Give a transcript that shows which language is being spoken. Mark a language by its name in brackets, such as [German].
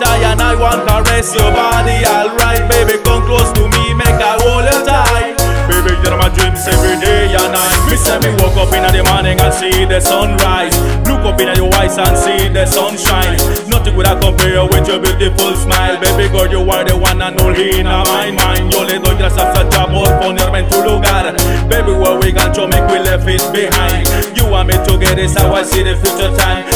[English] I and I want to caress your body, alright. Baby, come close to me, make I hold you tight. Baby, you know my dreams every day and night. Me say me woke up in the morning and see the sunrise. Look up in your eyes and see the sunshine. Nothing would I compare with your beautiful smile. Baby girl, you are the one and only in my mind. [Spanish] Yo le doy gracias a ya por ponerme en tu lugar. [English] Baby, where we got to make we left it behind. You and me together is how I see the future time.